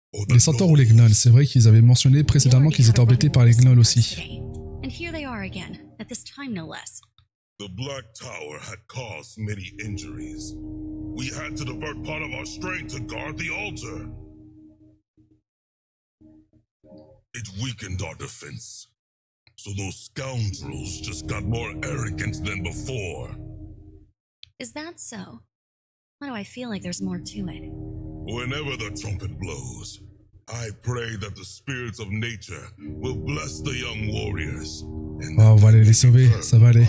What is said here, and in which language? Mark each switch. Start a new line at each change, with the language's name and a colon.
French: Les centaures ou les gnolls, c'est vrai qu'ils avaient mentionné précédemment qu'ils étaient embêtés par les gnolls aussi.
English: And here they are again, at this time no less. The Black Tower had caused many injuries. We had to divert part of our strength to guard the altar. It weakened our defense. So those scoundrels just got more arrogant than before. Is that so? Why do I feel like there's more to it? Whenever the trumpet blows, I pray that the spirits of nature will bless the young warriors.
French: Oh, on va aller les sauver, ça va aller.